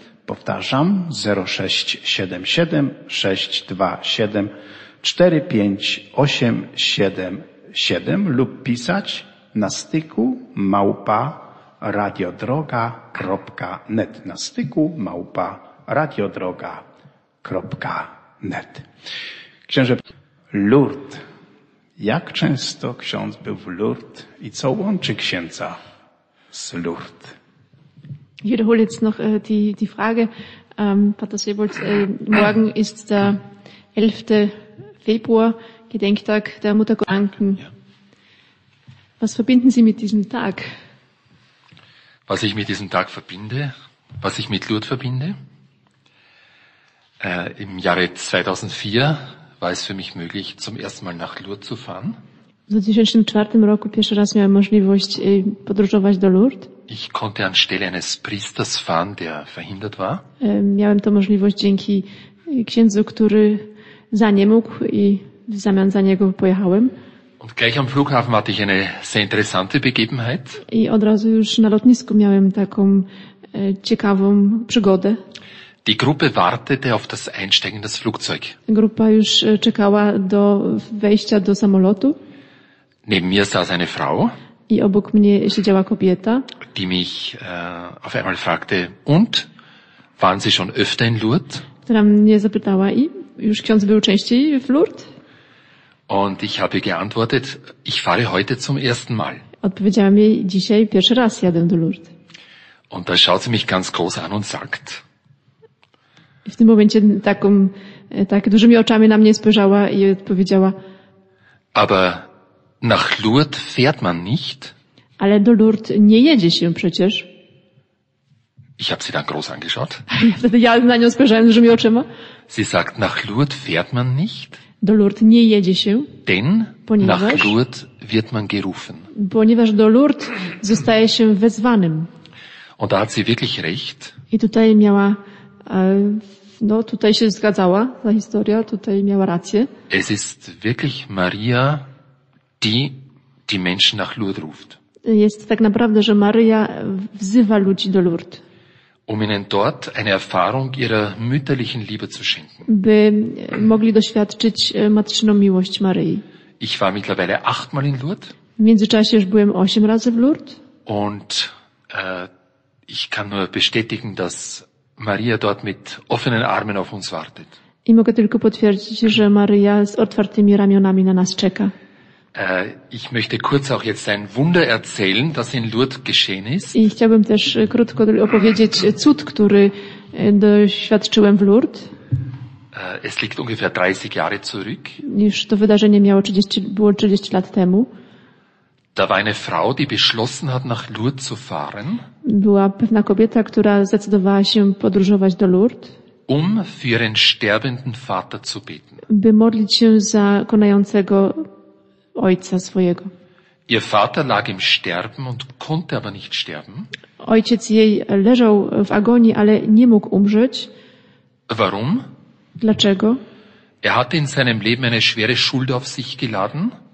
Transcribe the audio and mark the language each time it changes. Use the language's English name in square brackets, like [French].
[Polish] Powtarzam, 0677-627-45877 lub pisać na styku @radiodroga.net. Na styku @radiodroga.net. Księże, Lourdes. Jak często ksiądz był w Lourdes i co łączy księdza z Lourdes? [German] Ich wiederhole jetzt noch die Frage. Pater Seybold, morgen ist der 11. Februar, Gedenktag der Mutter Gottes. Was verbinden Sie mit diesem Tag? Was ich mit diesem Tag verbinde? Was ich mit Lourdes verbinde? Im Jahre 2004 war es für mich möglich, zum ersten Mal nach Lourdes zu fahren. [Polish] W 2004 roku pierwszy raz miałem możliwość podróżować do Lourdes. [German] Ich konnte anstelle eines Priesters fahren, der verhindert war. [Polish] Miałem to możliwość dzięki księdzu, który za nie mógł i w zamian za niego pojechałem. [German] Und gleich am Flughafen hatte ich eine sehr interessante Begebenheit. [Polish] I od razu już na lotnisku miałem taką ciekawą przygodę. [German] Die Gruppe wartete auf das Einsteigen des Flugzeugs. [Polish] Grupa już czekała do wejścia do samolotu. [German] Neben mir saß eine Frau. [Polish] I obok mnie siedziała kobieta. [German] Die mich auf einmal fragte, und waren Sie schon öfter in Lourdes? [Polish] Która mnie zapytała, i już ksiądz był częściej w Lourdes? [German] Und ich habe geantwortet, ich fahre heute zum ersten Mal. [Polish] Odpowiedziałam jej, dzisiaj pierwszy raz jadę do Lourdes. [German] Und da schaut sie mich ganz groß an und sagt. [Polish] I w tym momencie tak dużymi oczami na mnie spojrzała i odpowiedziała. [German] Aber nach Lourdes fährt man nicht. [Polish] Ale do Lourdes nie jedzie się przecież. [German] Ich habe sie dann groß angeschaut. [Polish] Ja na nią spojrzałem dużymi oczami. [German] Sie sagt, nach Lourdes fährt man nicht. [Polish] Do Lourdes nie jedzie się. [German] Denn nach Lourdes wird man gerufen. [Polish] ponieważ do Lourdes zostaje się wezwanym. [German] Und da hat sie wirklich recht. [Polish] I tutaj miała, no tutaj się zgadzała ta historia, tutaj miała rację. [German] Es ist wirklich Maria, die die Menschen nach Lourdes ruft. [Polish] Jest tak naprawdę, że Maria wzywa ludzi do Lourdes. [German] Um ihnen dort eine Erfahrung ihrer mütterlichen Liebe zu schenken. [Polish] By mogli doświadczyć matczyną miłość Maryi. [German] Ich war mittlerweile 8-mal in Lourdes. [Polish] W międzyczasie już byłem 8 razy w Lourdes. [German] Und ich kann nur bestätigen, dass Maria dort mit offenen Armen auf uns wartet. [Polish] I mogę tylko potwierdzić, że Maria z otwartymi ramionami na nas czeka. [German] Ich möchte kurz auch jetzt ein Wunder erzählen, das in Lourdes geschehen ist. [Polish] I chciałbym też krótko opowiedzieć cud, który doświadczyłem w Lourdes. [German] Es liegt ungefähr 30 Jahre zurück. [Polish] Już to wydarzenie miało 30, było 30 lat temu. [German] Da war eine Frau, die beschlossen hat, nach Lourdes zu fahren. [Polish] Była pewna kobieta, która zdecydowała się podróżować do Lourdes. [German] Um für ihren sterbenden Vater zu beten. [Polish] By modlić się za konającego ojca swojego. [German] Ihr Vater lag im Sterben und konnte aber nicht sterben. [Polish] Ojciec jej leżał w agonii, ale nie mógł umrzeć. [German] Warum? [Polish] Dlaczego? [German] Er hatte in seinem Leben eine schwere Schuld auf sich geladen.